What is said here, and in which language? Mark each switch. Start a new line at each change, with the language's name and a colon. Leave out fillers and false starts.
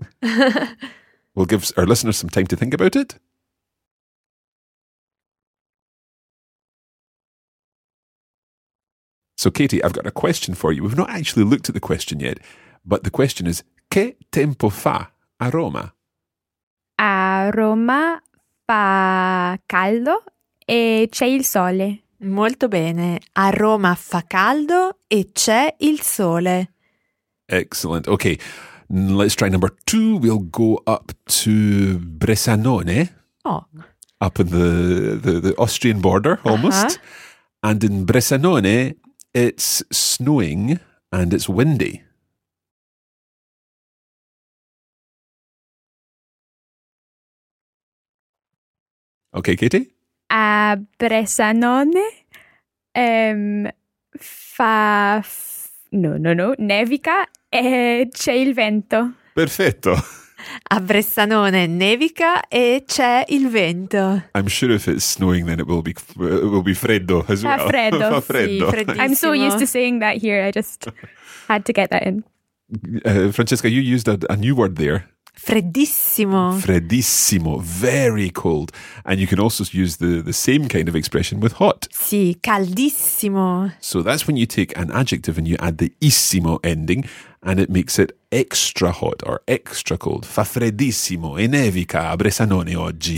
English: We'll give our listeners some time to think about it. So, Katie, I've got a question for you. We've not actually looked at the question yet, but the question is,
Italian: che tempo fa a Roma? A Roma fa caldo e c'è il sole. Molto bene. A Roma fa caldo e c'è il sole.
English: Excellent. Okay, let's try number two. We'll go up to Bressanone. Oh. Up in the Austrian border, almost. Uh-huh. And in Bressanone... it's snowing and it's windy. Okay, Katie?
Italian: A Bressanone nevica e c'è il vento. Perfetto. A Bressanone nevica e c'è il vento.
English: I'm sure if it's snowing then it will be freddo as well.
Italian: Fa freddo.
English: Sì, I'm so used to saying that here, I just had to get that in. Francesca, you used a new word there.
Italian: Freddissimo,
English: very cold. And you can also use the same kind of expression with hot.
Italian: Sì, caldissimo.
English: So that's when you take an adjective and you add the issimo ending and it makes it extra hot or extra cold.
Italian: Fa freddissimo e nevica a Bressanone oggi.